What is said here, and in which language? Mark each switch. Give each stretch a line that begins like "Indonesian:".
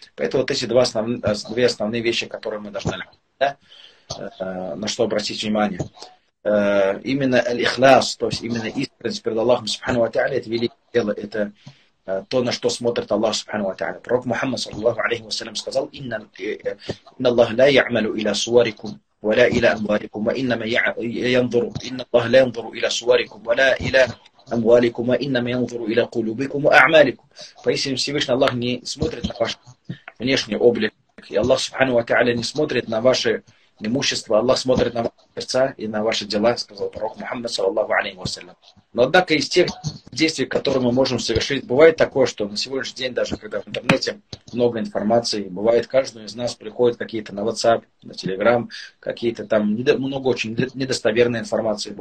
Russian: Поэтому вот эти две основные вещи, которые мы должны, на что обратить внимание. Именно аль-ихляс, то есть именно искренность перед Аллахом, субхану ва тааля, это великое дело, это то, на что смотрит Аллах, субхану ва тааля. Пророк Мухаммад, саллаллаху алейхи ва саллям, сказал,
Arabic: «Инна Аллах ла я'малу иля суварикум». ولا إلى أموالكم وإنما ينظر إن الله لا ينظر إلى صوركم ولا إلى أموالكم وإنما ينظر إلى قلوبكم وأعمالكم.
Russian: Поистине Всевышний Аллах не смотрит на ваш внешний облик, и Аллах Субхану ва Тааля не смотрит на ваше имущество, Аллах смотрит на ваши сердца и на ваши дела, сказал пророк Мухаммад саллаллаху алейхи ва саллям. Но однако из тех действий, которые мы можем совершить, бывает такое, что на сегодняшний день, даже когда в интернете много информации, бывает, каждому из нас приходят какие-то на WhatsApp, на Telegram, какие-то там много очень недостоверной информации.